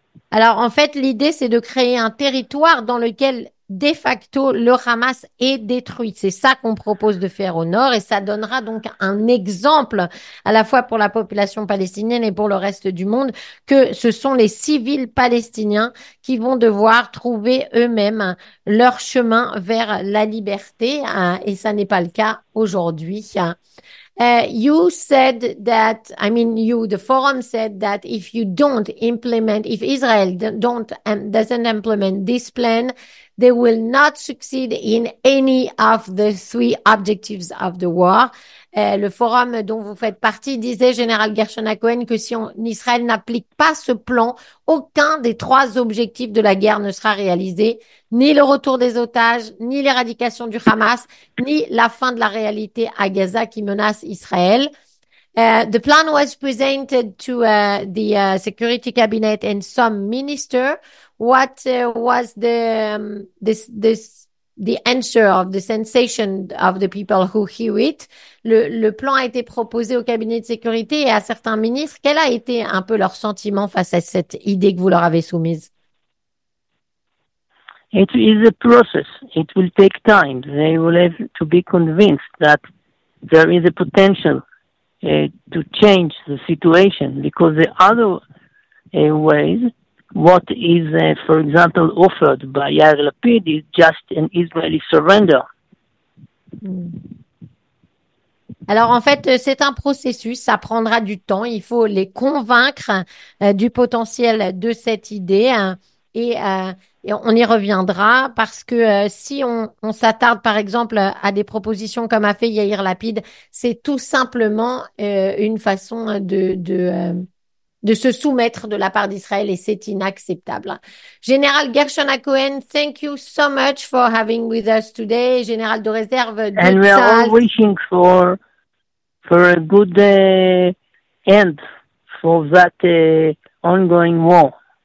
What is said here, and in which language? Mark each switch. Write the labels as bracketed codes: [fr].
[fr] Alors, en fait, l'idée, c'est de créer un territoire dans lequel de facto, le Hamas est détruit. C'est ça qu'on propose de faire au nord et ça donnera donc un exemple à la fois pour la population palestinienne et pour le reste du monde que ce sont les civils palestiniens qui vont devoir trouver eux-mêmes leur chemin vers la liberté et ça n'est pas le cas aujourd'hui. [en] You said that, I mean, you, the forum said that if you don't implement, if Israel doesn't implement this plan, they will not succeed in any of the three objectives of the war. [fr] Le forum dont vous faites partie disait, Général Gershon HaKohen, que si Israël n'applique pas ce plan, aucun des trois objectifs de la guerre ne sera réalisé, ni le retour des otages, ni l'éradication du Hamas, ni la fin de la réalité à Gaza qui menace Israël. [en] The plan was presented to the security cabinet and some minister. What was the answer of the sensation of the people who hear it? [fr] Le plan a été proposé au cabinet de sécurité et à certains ministres. Quel a été un peu leur sentiment face à cette idée que vous leur avez soumise? [en] It is a process. It will take time. They will have to be convinced that there is a potential to change the situation, because the other ways, what is, for example, offered by Yair Lapid is just an Israeli surrender. [fr] Alors, en fait, c'est un processus, ça prendra du temps. Il faut les convaincre du potentiel de cette idée. Et on y reviendra parce que si on s'attarde par exemple à des propositions comme a fait Yair Lapid, c'est tout simplement une façon de se soumettre de la part d'Israël et c'est inacceptable. [en] Général Gershon Hakohen, thank you so much for having with us today. [fr] Général de réserve de [en] And we are all wishing for a good end for that ongoing war.